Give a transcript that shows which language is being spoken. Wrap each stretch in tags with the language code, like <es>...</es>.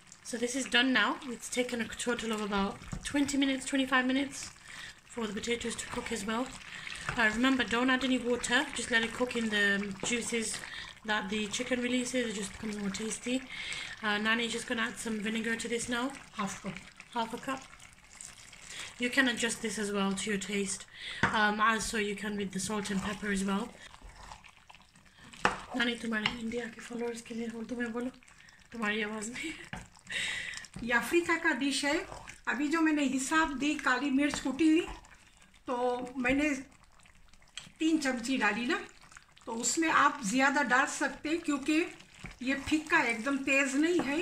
<en>So this is done now, it's taken a total of about 20 minutes, 25 minutes for the potatoes to cook as well. Remember don't add any water, just let it cook in the juices that the chicken releases, it just becomes more tasty. Nani is just gonna add some vinegar to this now, half a cup. You can adjust this as well to your taste, as so you can with the salt and pepper as well.</en> <hi>नानी तुम्हारे India के followers के लिए हो, तुम्हें बोलो तुम्हारी आवाज़ में। ये अफ्रीका का डिश है। अभी जो मैंने हिसाब दी, काली मिर्च कूटी हुई, तो मैंने 3 चमची डाली ना, तो उसमें आप ज़्यादा डाल सकते हैं क्योंकि ये फीका एकदम तेज़ नहीं है।</hi>